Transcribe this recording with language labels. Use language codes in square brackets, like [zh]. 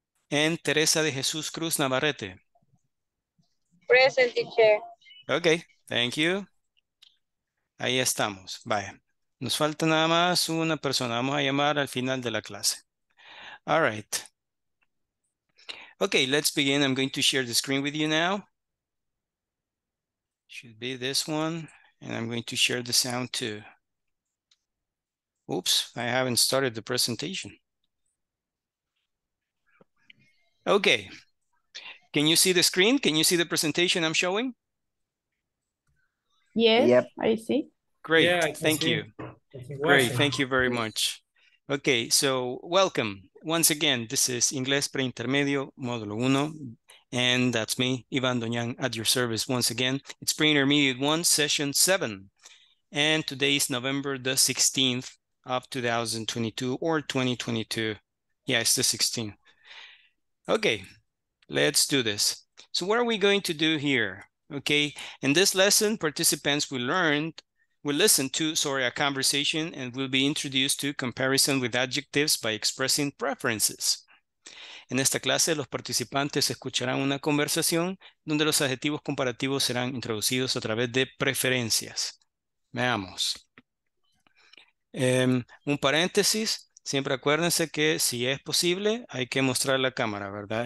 [en] And Teresa de Jesús Cruz Navarrete. Present, teacher. Okay, thank you. [es] Ahí estamos. Vaya. Nos falta nada más una persona. Vamos a llamar al final de la clase. [en] All right. Okay, let's begin. I'm going to share the screen with you now. Should be this one. And I'm going to share the sound too. Oops, I haven't started the presentation. Okay. Can you see the screen? Can you see the presentation I'm showing? Yes, yep. I see. Great, yeah, thank you. Great, thank you very much. Okay, so welcome. Once again, this is Inglés Preintermedio, Módulo 1, and that's me, Iván Doñán, at your service once again. It's Preintermediate 1, Session 7, and today is November the 16th of 2022 or 2022. Yeah, it's the 16th. Okay, let's do this. So what are we going to do here? Okay, in this lesson, participants will listen to a conversation and will be introduced to comparison with adjectives by expressing preferences. [es] En esta clase, los participantes escucharán una conversación donde los adjetivos comparativos serán introducidos a través de preferencias. Veamos. Un paréntesis, siempre acuérdense que si es posible, hay que mostrar la cámara, ¿verdad?